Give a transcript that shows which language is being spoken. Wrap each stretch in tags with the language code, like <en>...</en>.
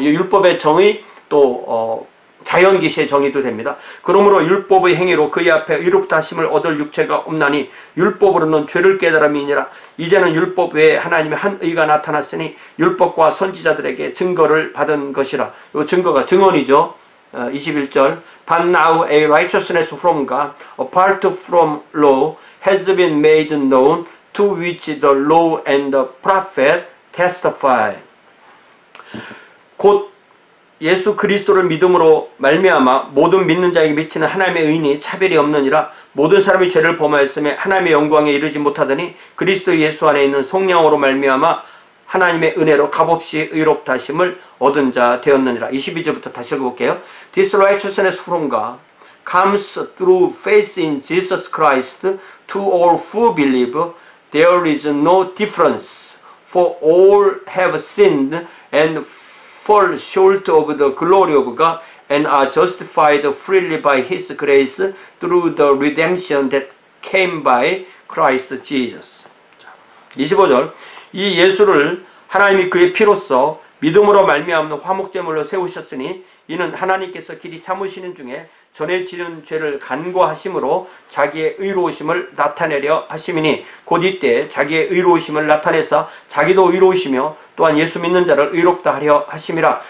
<ko>율법의 정의 또 자연기시의 정의도 됩니다. 그러므로 율법의 행위로 그의 앞에 의롭다 하심을 얻을 육체가 없나니 율법으로는 죄를 깨달음이니라. 이제는 율법 외에 하나님의 한 의가 나타났으니 율법과 선지자들에게 증거를 받은 것이라. 이 증거가 증언이죠.</ko> <en>21절 But now a righteousness from God apart from law has been made known to which the law and the prophet testify.</en> <ko>곧 예수 그리스도를 믿음으로 말미암아 모든 믿는 자에게 미치는 하나님의 의인이 차별이 없느니라 모든 사람이 죄를 범하였으며 하나님의 영광에 이르지 못하더니 그리스도 예수 안에 있는 속량으로 말미암아 하나님의 은혜로 값없이 의롭다 하심을 얻은 자 되었느니라. 22절부터 다시 읽어볼게요.</ko> <en>This righteousness from God comes through faith in Jesus Christ to all who believe. There is no difference, for all have sinned and fall short of the glory of God and are justified freely by His grace through the redemption that came by Christ Jesus.</en> <ko>25절 이 예수를 하나님이 그의 피로써 믿음으로 말미암는 화목제물로 세우셨으니 이는 하나님께서 길이 참으시는 중에 전에 지은 죄를 간과하심으로 자기의 의로우심을 나타내려 하심이니 곧 이때 자기의 의로우심을 나타내사 자기도 의로우시며 또한 예수 믿는 자를 의롭다 하려 하심이라.</ko>